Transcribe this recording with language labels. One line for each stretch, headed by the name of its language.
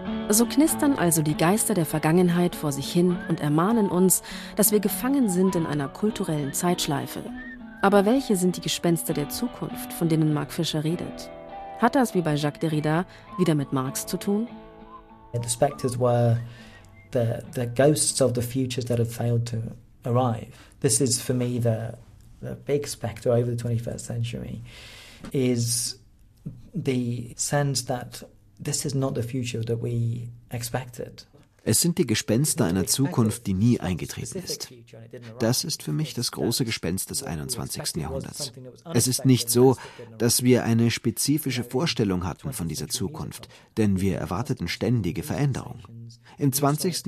German: So knistern also die Geister der Vergangenheit vor sich hin und ermahnen uns, dass wir gefangen sind in einer kulturellen Zeitschleife. Aber welche sind die Gespenster der Zukunft, von denen Mark Fisher redet? Hat das, wie bei Jacques Derrida, wieder mit Marx zu tun?
English: The spectres were the ghosts of the futures that had failed to arrive. This is for me the big spectre over the 21st century is the sense that this is not the future that we expected.
German: Es sind die Gespenster einer Zukunft, die nie eingetreten ist. Das ist für mich das große Gespenst des 21. Jahrhunderts. Es ist nicht so, dass wir eine spezifische Vorstellung hatten von dieser Zukunft, denn wir erwarteten ständige Veränderung. Im 20.